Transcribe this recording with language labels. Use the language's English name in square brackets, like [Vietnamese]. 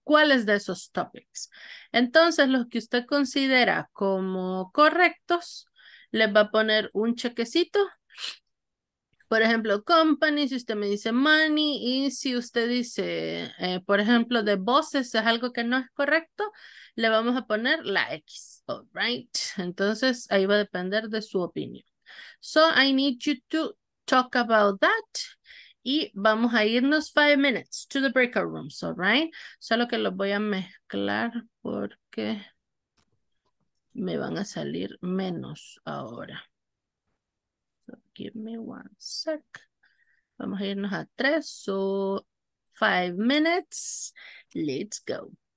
[Spanish] ¿Cuáles de esos topics? Entonces, los que usted considera como correctos, les va a poner un chequecito Por ejemplo, company, si usted me dice money, y si usted dice, por ejemplo, [English] the bosses [Spanish] es algo que no es correcto, le vamos a poner la X, [English] all right? [Spanish] Entonces, ahí va a depender de su opinión. [English] So, I need you to talk about that. [Spanish] Y vamos a irnos [English] 5 minutes to the breakout rooms, all right? [Spanish] Solo que los voy a mezclar porque me van a salir menos ahora. [English] Give me one sec. [Spanish] Vamos a irnos a 3 o [English] 5 minutes. Let's go.